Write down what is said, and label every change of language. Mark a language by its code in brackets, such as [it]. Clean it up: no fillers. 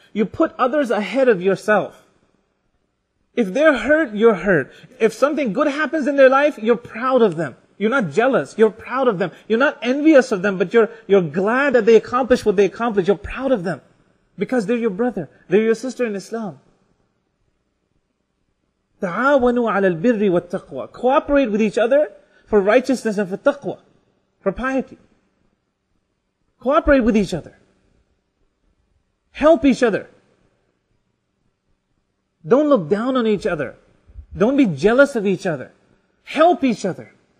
[en] You put others ahead of yourself. If they're hurt, you're hurt. If something good happens in their life, you're proud of them. You're not jealous. You're proud of them. You're not envious of them, but you're glad that they accomplished what they accomplished. You're proud of them. Because they're your brother. They're your sister in Islam. [ar] تعاونوا على البر والتقوى. [en] Cooperate with each other for righteousness and for taqwa, for piety. Cooperate with each other. Help each other. Don't look down on each other. Don't be jealous of each other. Help each other.